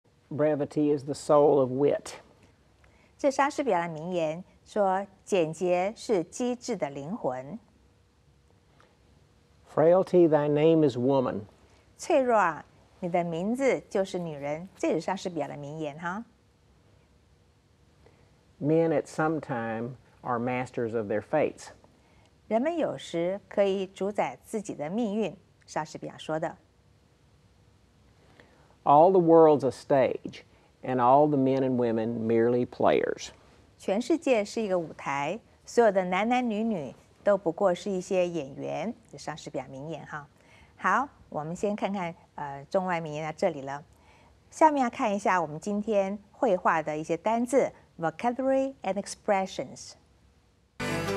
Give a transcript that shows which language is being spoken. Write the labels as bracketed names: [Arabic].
[English] Brevity is the soul of wit。 [Chinese] 这莎士比亚的名言说简洁是机智的灵魂。 [English] Frailty, thy name is woman。 [Chinese] 脆弱啊，你的名字就是女人，这也算是比较的名言哈。 [English] Men at some time are masters of their fates. [Chinese] 人们有时可以主宰自己的命运，莎士比亚说的。 [English] All the world's a stage, and all the men and women merely players. [Chinese] 全世界是一个舞台，所有的男男女女都不过是一些演员，这莎士比亚名言哈。好，我们先看看中外名言到这里了。下面要看一下我们今天绘画的一些单字 [English] vocabulary and expressions。